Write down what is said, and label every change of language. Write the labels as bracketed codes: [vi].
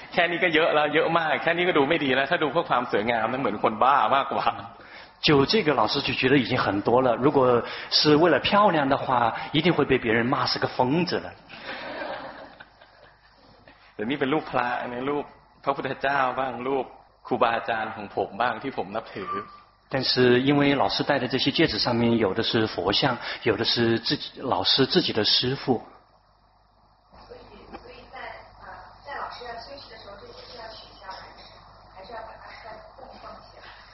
[th] แค่นี้ก็เยอะแล้วเยอะมากแค่นี้ก็ดูไม่ดีแล้วถ้าดูเพื่อความสวยงามมันเหมือนคนบ้ามากกว่า [zh] 就这个老师就觉得已经很多了如果是为了漂亮的话一定会被别人骂是个疯子了 [th] เดี๋ยวนี้เป็นรูปพระเนี่ยรูปพระพุทธเจ้าบ้างรูปครูบาอาจารย์ของผมบ้างที่ผมนับถือ [zh] 但是因为老师戴的这些戒指上面有的是佛像有的是自己老师自己的师父所以在老师要休息的时候这些是要取消还是要把它供奉起来